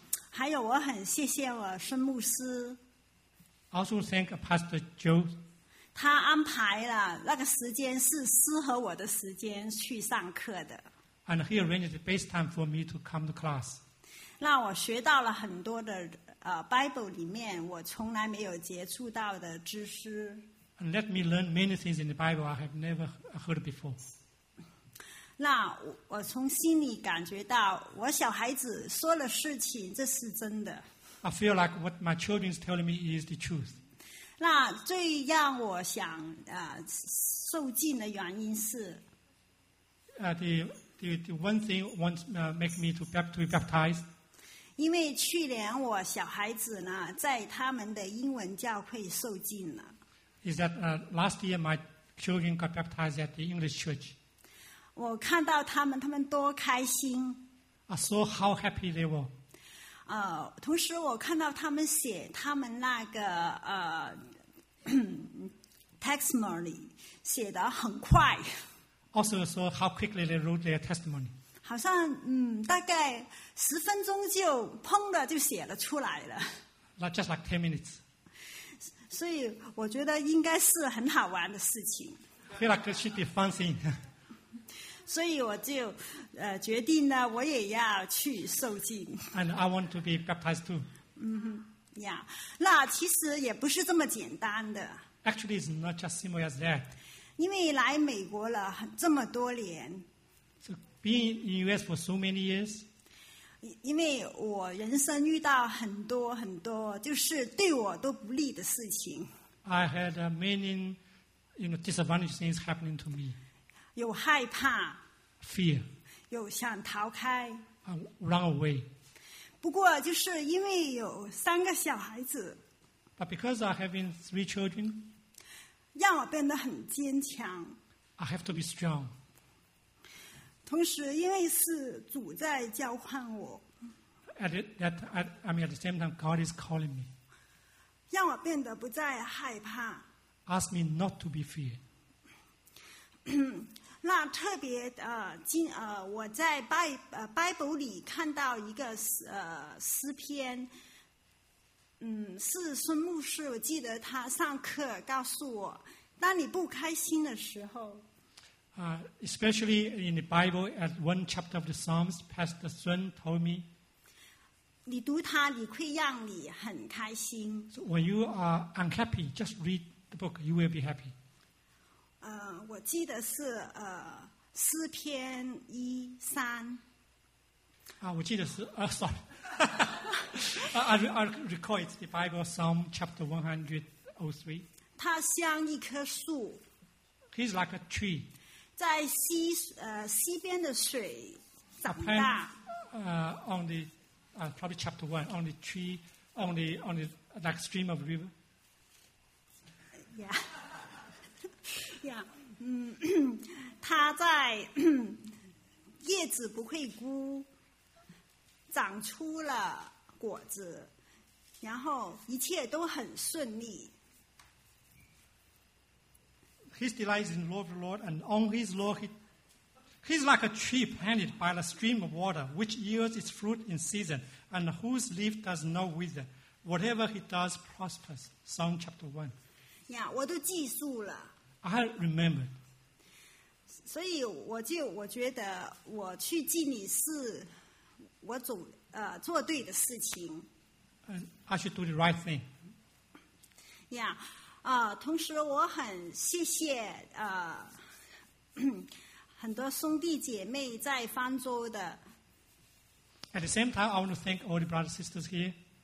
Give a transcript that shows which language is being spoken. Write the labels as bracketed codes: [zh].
[zh] 还有我很谢谢我孙牧师。 [en] Also thank Pastor Joe. [zh] 他安排了那个时间是适合我的时间去上课的。 [en] And he arranged the best time for me to come to class. [zh] 让我学到了很多的Bible 里面我从来没有接触到的知识。 [en] And let me learn many things in the Bible I have never heard before. [zh] 那我从心里感觉到我小孩子说了事情这是真的。 [en] I feel like what my children is telling me is the truth. [zh] 那最让我想受尽的原因是 [en] the one thing wants make me to be baptized. [zh] 因为去年我小孩子呢在他们的英文教会受尽了。 [en] Is that last year my children got baptized at the English church. [zh] 我看到他们，他们多开心。 [en] I saw how happy they were. [zh] 同时我看到他们写他们那个testimony 写得很快。 [en] Also saw how quickly they wrote their testimony. [zh] 好像大概十分钟就砰的就写了出来了。 [en] Not just like 10 minutes. [zh] 所以我觉得应该是很好玩的事情。 [en] Feel like it should be fun thing. [zh] 所以我就决定呢我也要去受浸。 [en] And I want to be baptized too. [zh] 那其实也不是这么简单的。 [en] Actually, it's not just simple as that. [zh] 因为来美国了这么多年。 [en] So being in the US for so many years. [zh] 因为我人生遇到很多很多就是对我都不利的事情。 [en] I had many, you know, disadvantaged things happening to me. [zh] 有害怕 [en] ，fear， [zh] 有想逃开 [en] ，run away。 [zh] 不过就是因为有三个小孩子 [en] ，but because I have three children， [zh] 让我变得很坚强 [en] ，I have to be strong。 [zh] 同时，因为是主在召唤我 [en] ，at the same time God is calling me， [zh] 让我变得不再害怕 [en] ，ask me not to be fear。 [zh] 那特别我在Bible 里看到一个诗篇，是孙牧师，我记得他上课告诉我，当你不开心的时候。 [en] Especially in the Bible, at one chapter of the Psalms, Pastor Sun told me. [zh] 你读它，你会让你很开心。 [en] So when you are unhappy, just read the book, you will be happy. [zh] 我记得是诗篇一三。我记得是 [en] sorry. I recall it's the Bible Psalm chapter 103. [zh] 他像一棵树。 [en] He's like a tree. [zh] 在西边的水长大。 [en] On the probably chapter one on the tree on the like stream of river. Yeah. [zh] 他在叶子不会枯，长出了果子，然后一切都很顺利。 [en] His delight is in the law of the Lord, and on his law he's like a tree planted by the stream of water, which yields its fruit in season, and whose leaf does not wither. Whatever he does prospers. Psalm chapter 1. [zh] Yeah, 我都记住了。 [en] I remember. [zh] 所以我觉得我去敬礼是我总做对的事情。 [en] I should do the right thing. [zh] Yeah, 同时我很谢谢很多兄弟姐妹在方舟的。 [en] At the same time, I want to thank all the brothers and sisters here.